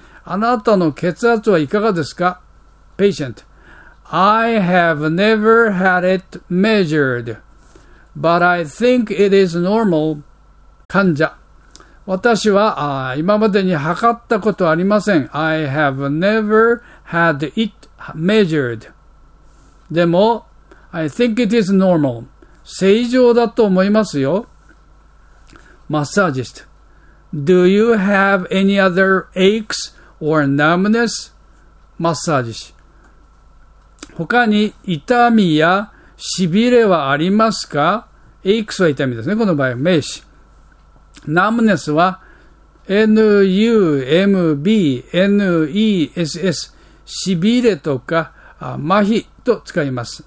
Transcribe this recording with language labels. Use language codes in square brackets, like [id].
[ja] あなたの血圧はいかがですか? [en] Patient. I have never had it measured, but I think it is normal. [ja] 患者。私は今までに測ったことはありません。 [en] I have never had it measured. [ja] でも、 [en] I think it is normal. [ja] 正常だと思いますよ。マッサージスト。 [en] Do you have any other aches or numbness? [ja] マッサージ師。他に痛みやしびれはありますか? Aches は痛みですね。この場合は名詞。Numbness は numbness。しびれとか麻痺と使います。